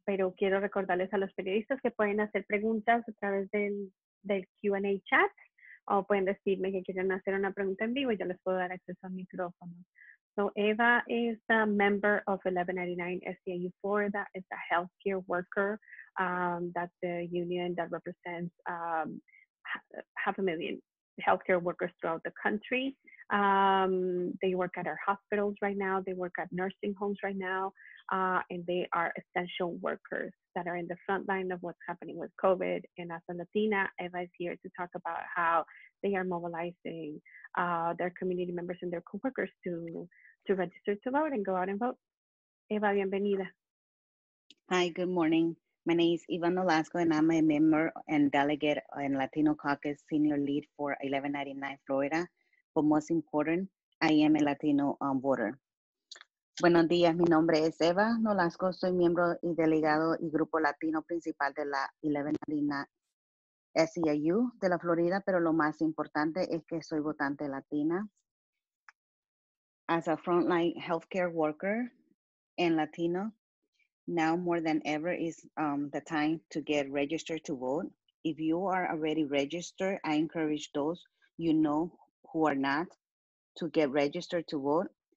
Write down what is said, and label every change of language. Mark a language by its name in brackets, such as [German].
[Spanish] Pero quiero recordarles a los periodistas que pueden hacer preguntas a través del Q&A chat, o pueden decirme que quieren hacer una pregunta en vivo y yo les puedo dar acceso al micrófono. [English] So Eva is a member of 1189 SCIU4, that is a healthcare worker, that's the union that represents half a million healthcare workers throughout the country. They work at our hospitals right now, they work at nursing homes right now, and they are essential workers that are in the front line of what's happening with COVID. And as a Latina, Eva is here to talk about how they are mobilizing their community members and their coworkers to register to vote and go out and vote. [Spanish] Eva, bienvenida. [English] Hi, good morning. My name is Eva Nolasco, and I'm a member and delegate and Latino Caucus senior lead for 1189 Florida. But most important, I am a Latino voter. [Spanish] Buenos días, mi nombre es Eva Nolasco, soy miembro y delegado y grupo latino principal de la 1189 SEIU de la Florida, pero lo más importante es que soy votante latina. [English] As a frontline healthcare worker and Latino, now more than ever is the time to get registered to vote. If you are already registered, I encourage those you know who are not to get registered to vote.